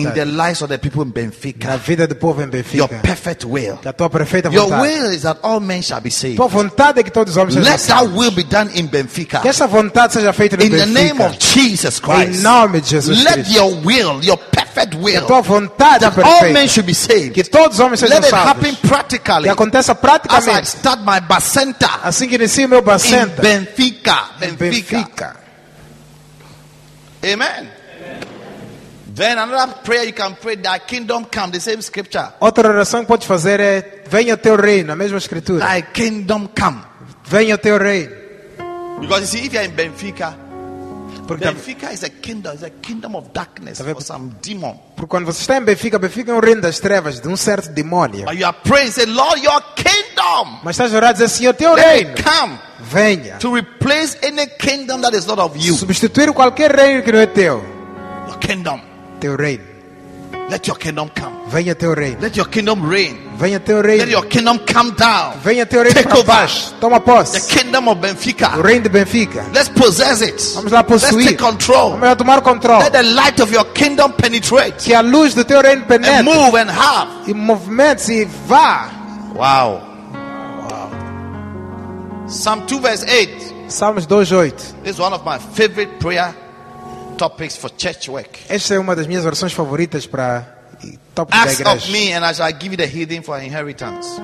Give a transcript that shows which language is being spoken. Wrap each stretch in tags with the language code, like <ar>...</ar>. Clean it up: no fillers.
<en>In the lives of the people in Benfica.</en> <pt>Na vida do povo em Benfica.</pt> <en>Your perfect will.</en> <pt>Da tua perfeita vontade.</pt> <en>Your will is that all men shall be saved.</en> <pt>Tua vontade é que todos os homens sejam salvos.</pt> <en>Let that will be done in Benfica.</en> <pt>Que essa vontade seja feita no</pt> <en>in</en> <pt>Benfica.</pt> <en>In the name of Jesus Christ.</en> <pt>Em nome de Jesus Cristo.</pt> <en>Let your will, your perfect will.</en> <pt>Tua vontade</pt> <en>that</en> <pt>perfeita.</pt> <en>All men should be saved.</en> <pt>Que todos os homens sejam</pt> <en>let</en> <pt>salvos.</pt> <en>Let it happen practically.</en> <pt>Que aconteça praticamente.</pt> <en>As I start my Bacenta.</en> <pt>Assim que inicio meu Bacenta.</pt> <en>In Benfica. Benfica. Amen. Then another prayer you can pray, thy kingdom come, the same scripture.</en> <pt>Outra oração que pode fazer é venha teu reino, a mesma escritura.</pt> <en>Thy kingdom come.</en> <pt>Venha teu reino.</pt> <en>Because you see, if you're in Benfica, porque Benfica is a kingdom, it's a kingdom of darkness for some demon.</en> <pt>Porque quando você está em Benfica, Benfica é um reino das trevas, de um certo demônio.</pt> <en>But you are praying, say, Lord, your kingdom.</en> <pt>Mas estás orando dizer, Senhor, teu reino.</pt> <en>Come.</en> <pt>Venha.</pt> <en>To replace any kingdom that is not of you.</en> <pt>Substituir qualquer reino que não é teu.</pt> <en>Your kingdom.</en> <pt>Teu reino.</pt> <en>Let your kingdom come.</en> <pt>Venha teu reino.</pt> <en>Let your kingdom reign.</en> <pt>Venha teu reino.</pt> <en>Let your kingdom come down.</en> <pt>Venha teu reino.</pt> <en>Take over.</en> <pt>Toma posse.</pt> <en>The kingdom of Benfica.</en> <pt>O reino de Benfica.</pt> <en>Let's possess it.</en> <pt>Vamos lá possuir.</pt> <en>Let's take control.</en> <pt>Vamos lá tomar control.</pt> <en>Let the light of your kingdom penetrate.</en> <pt>Que a luz do teu reino penetre.</pt> <en>And move and have.</en> <pt>E movimente e vá.</pt> <en>Wow. Wow. Psalm 2 verse 8.</en> <pt>Salmos 2:8.</pt> <en>This is one of my favorite prayer topics for church work.</en> <pt>Esta é uma das minhas orações favoritas para top da igreja.</pt> <en>Ask of me and I shall give you the heathen for inheritance.</en>